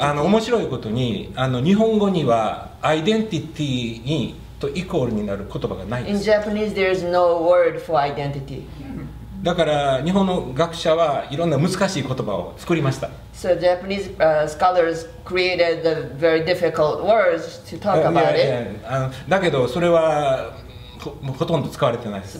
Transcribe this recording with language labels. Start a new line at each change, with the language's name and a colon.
Japanese: 面白いことに、日本語にはアイデンティティとイコールになる言葉がないです。
English: In Japanese, there is no word for identity.
Japanese: だから日本の学者はいろんな難しい言葉を作りました。
English: So Japanese scholars created the very difficult words to talk about it.
Japanese: だけどそれは ほとんど使われてないです。